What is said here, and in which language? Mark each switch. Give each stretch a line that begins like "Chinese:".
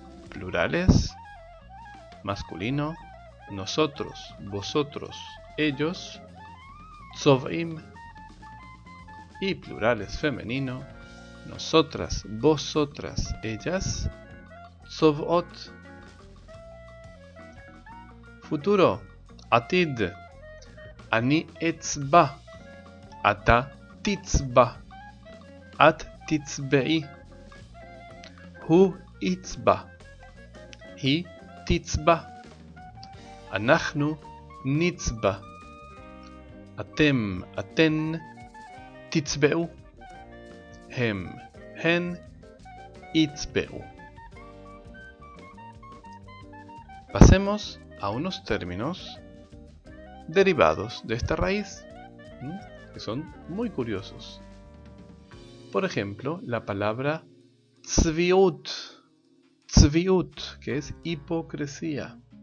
Spanish: Plurales, masculino, nosotros, vosotros, ellos, צובעים. Y plurales femenino, nosotras, vosotras, ellas, צובעות.
Hebrew: Futuro, עתיד, אני אצבע, אתה תצבע, את תצבעי. הוא יצבע, היא תצבע, אנחנו נצבע, אתם, אתן, תצבעו, הם, הן, יצבעו.
Spanish: Pasemos a unos términos derivados de esta raíz, que son muy curiosos. Por ejemplo, la palabra tzviut, tzviut, que es hipocresía.